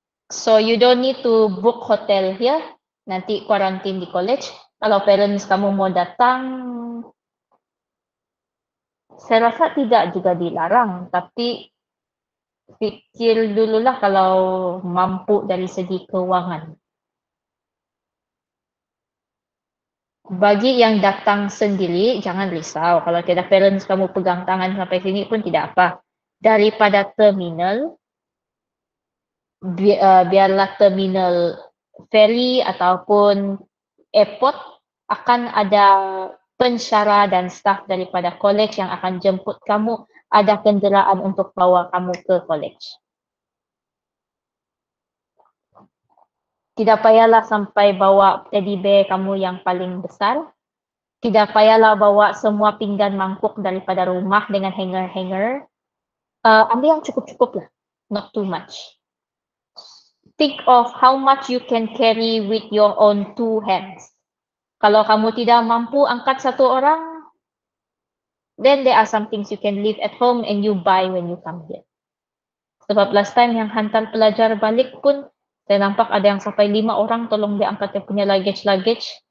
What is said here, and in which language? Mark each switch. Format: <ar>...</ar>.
<en>So you don't need to book hotel here,</en> <ms>nanti quarantine di college. Kalau parents kamu mau datang, Saya rasa tidak juga dilarang, tapi fikir dululah kalau mampu dari segi kewangan. Bagi yang datang sendiri, jangan risau. Kalau tidak parents kamu pegang tangan sampai sini pun tidak apa. Daripada terminal, biarlah terminal ferry ataupun airport akan ada pensyarah dan staff daripada college yang akan jemput kamu, ada kenderaan untuk bawa kamu ke college. Tidak payahlah sampai bawa teddy bear kamu yang paling besar. Tidak payahlah bawa semua pinggan mangkuk daripada rumah dengan hanger-hanger. Ambil yang cukup-cukup lah,</ms> <en>not too much. Think of how much you can carry with your own two hands.</en> <ms>Kalau kamu tidak mampu angkat satu orang,</ms> <en>then there are some things you can leave at home and you buy when you come here.</en> <ms>Sebab last time yang hantar pelajar balik pun, saya nampak ada yang sampai 5 orang tolong dia angkat dia punya luggage-luggage.</ms>